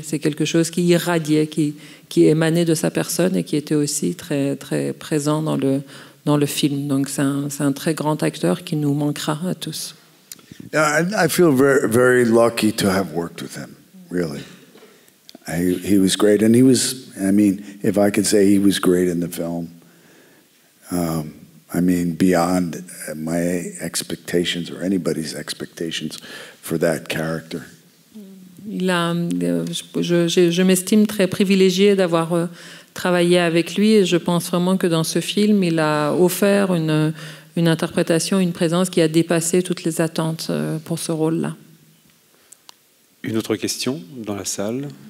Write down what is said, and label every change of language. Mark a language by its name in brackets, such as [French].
[French] C'est quelque chose qui irradiait, qui émanait de sa personne et qui était aussi très, très présent dans le film. Donc c'est un très grand acteur qui nous manquera à tous. [English] I feel very, very lucky to have worked with him, really. He was great, and he was, I mean, if I could say he was great in the film, I mean, beyond my expectations or anybody's expectations for that character. [French] Je m'estime très privilégié d'avoir travaillé avec lui, et je pense vraiment que dans ce film, il a offert une interprétation, une présence qui a dépassé toutes les attentes pour ce rôle-là. Une autre question dans la salle.